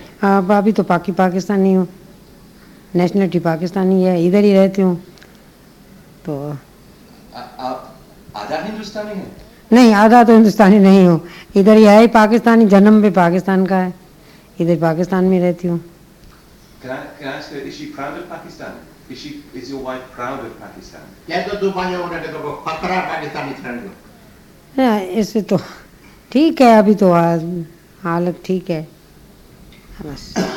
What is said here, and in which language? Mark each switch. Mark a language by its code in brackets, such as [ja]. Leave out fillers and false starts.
[hi] आप अभी तो पाकिस्तानी हूँ नेशनलिटी पाकिस्तानी है इधर ही रहती हूँ तो आप आधा हिंदुस्तानी हैं नहीं आधा तो हिंदुस्तानी नहीं हूँ इधर ही है पाकिस्तानी जन्म भी पाकिस्तान का है इधर पाकिस्तान में रहती हूँ. [en] Can I ask her, is she proud of Pakistan? Is your wife proud of Pakistan? [hi] ऐसे तो ठीक है, अभी तो हालत ठीक है बस.